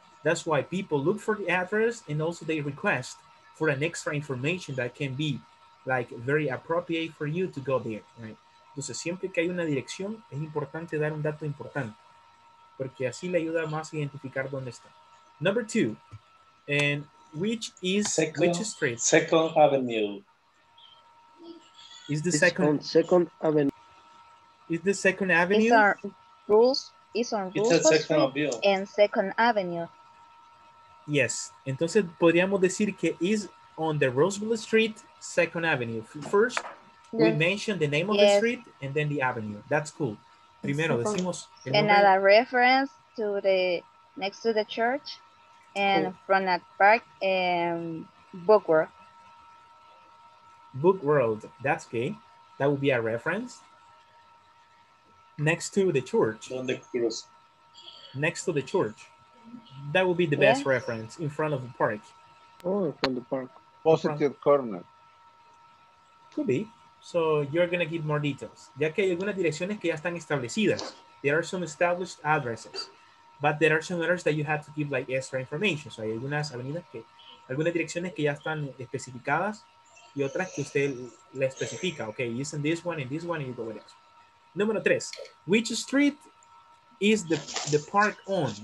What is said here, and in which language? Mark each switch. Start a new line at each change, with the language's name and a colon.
English: That's why people look for the address and also they request for an extra information that can be like very appropriate for you to go there, right?
Spanish: Entonces, siempre que hay una dirección, es importante dar un dato importante, porque así le ayuda más a identificar dónde está.
English: Number two, and which is, second, which street? Second Avenue. Is the second? Second Avenue. Is the Second Avenue? It's on Roosevelt Street and Second Avenue. Yes.
Spanish: Entonces, podríamos decir que
English: is on the Roosevelt Street, Second Avenue. First, yes. We mention the name of the street and then the avenue. That's cool.
Spanish: Primero, decimos...
English: Another reference to the next to the church and cool. From that park and Book World. Book World. That's okay. That would be a reference. Next to the church. On the cross. Next to the church. That would be the best reference. In front of the park. Oh, from the park. Positive corner. Could be. So you're going to give more details.
Spanish: Ya que hay algunas direcciones que ya están establecidas.
English: There are some established addresses. But there are some others that you have to give like extra information. So
Spanish: hay algunas avenidas que... Algunas direcciones que ya están especificadas. Y otras que usted le especifica.
English: Okay, using this one and this one and you go with it.
Spanish: Número tres,
English: which street is the park on?